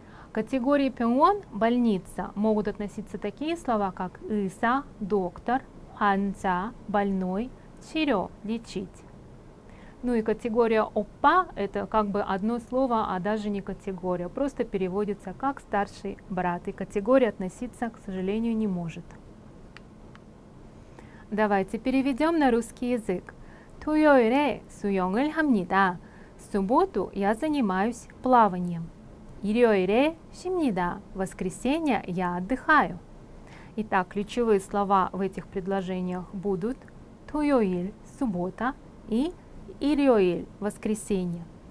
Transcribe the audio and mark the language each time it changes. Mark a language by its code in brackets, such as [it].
[ru] К категории пёнгон, больница, могут относиться такие слова, как иса, доктор, ханца, больной, чирё, лечить. Ну и категория оппа – это как бы одно слово, а даже не категория. Просто переводится как старший брат. И категория относиться, к сожалению, не может. Давайте переведем на русский язык. [ko] 토요일에 수영을 합니다. [ru] В субботу я занимаюсь плаванием. [ko] 일요일에 쉽니다. [ru] В воскресенье я отдыхаю. Итак, ключевые слова в этих предложениях будут 토요일 – суббота и 일요일 – воскресенье.